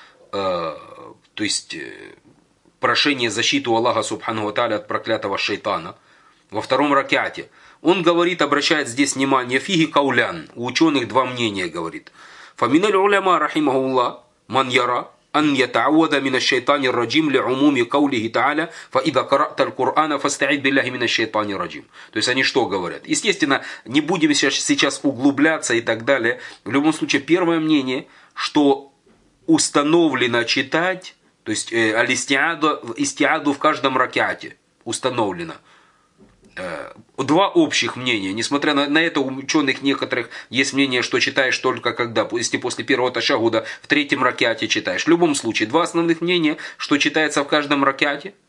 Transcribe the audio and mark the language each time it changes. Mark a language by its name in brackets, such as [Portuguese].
[Russian] То есть прошение защиты Аллаха субханаху тааля от проклятого шайтана во втором ракеате. Он говорит, обращает здесь внимание, [Arabic] фиги каулян, [Russian] у ученых два мнения говорит. [Arabic] Фаминаль уляма рахимахуллах ман яра, أن يتعوذ من الشيطان الرجيم لعموم قوله تعالى فإذا قرأت القرآن فاستعذ بالله من الشيطان الرجيم. [Russian] То есть они что говорят? Естественно, не будем сейчас углубляться и так далее. В любом случае, первое мнение, что установлено читать, то есть аль-истиаду в каждом ракиате установлено. Два общих мнения. Несмотря на это, у ученых некоторых есть мнение, что читаешь только когда, если после первого ташахуда, в третьем ракиате читаешь. В любом случае, два основных мнения, что читается в каждом ракиате.